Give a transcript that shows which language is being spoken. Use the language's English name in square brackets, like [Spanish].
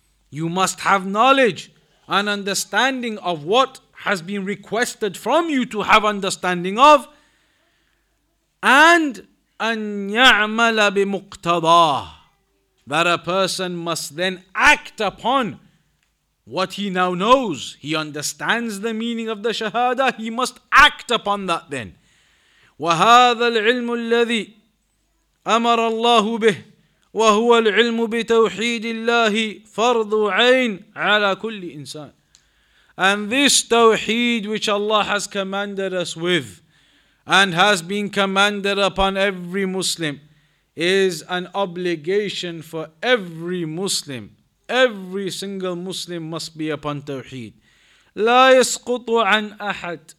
[English] You must have knowledge and understanding of what has been requested from you to have understanding of. [Arabic] And أن يعمل بمقتضاه. [English] That a person must then act upon what he now knows. He understands the meaning of the Shahada. He must act upon that then. [Arabic] وهذا العلم الذي أمر الله به وهو العلم بتوحيد الله فرض عين على كل إنسان. [English] And this Tawheed which Allah has commanded us with and has been commanded upon every Muslim is an obligation for every Muslim. Every single Muslim must be upon Tawheed. [Arabic] لا يسقط عن أحد.